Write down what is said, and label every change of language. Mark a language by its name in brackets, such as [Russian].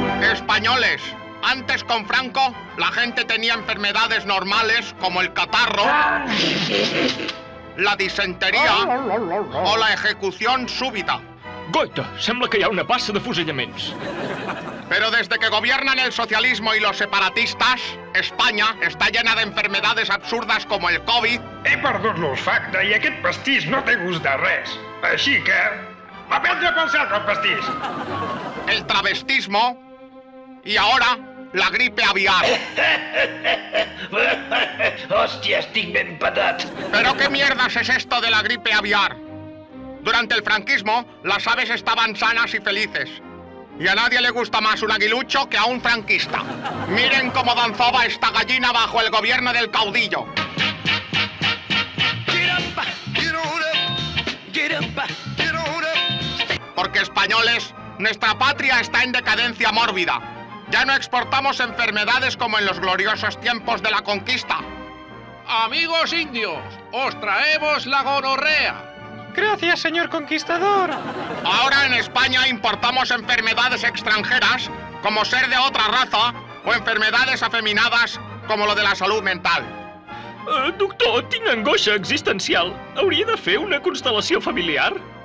[Spanish] Españoles, antes con Franco, la gente tenía enfermedades normales como el catarro, la disentería o la ejecución súbita. [Catalan] Goita, sembla que hi ha una passa de fusillaments. [Spanish] Pero desde que gobiernan el socialismo y los separatistas, España está llena de enfermedades absurdas como el COVID. [Catalan] He perdut l'olfacte i aquest pastís no té gust de res. Així que... va prendre pel cert el pastís. [Spanish] El travestismo... y ahora, la gripe aviar. [Catalan] Hòstia, estic ben patat. [Spanish] Pero qué mierdas es esto de la gripe aviar. Durante el franquismo, las aves estaban sanas y felices. Y a nadie le gusta más un aguilucho que a un franquista. Miren cómo danzaba esta gallina bajo el gobierno del caudillo. Porque españoles, nuestra patria está en decadencia mórbida. Ya no exportamos enfermedades como en los gloriosos tiempos de la conquista. Amigos indios, os traemos la gonorrea. Gracias, señor conquistador. Ahora en España importamos enfermedades extranjeras, como ser de otra raza, o enfermedades afeminadas, como lo de la salud mental. [Catalan] Doctor, tinc angoixa existencial. Hauria de fer una constel·lació familiar?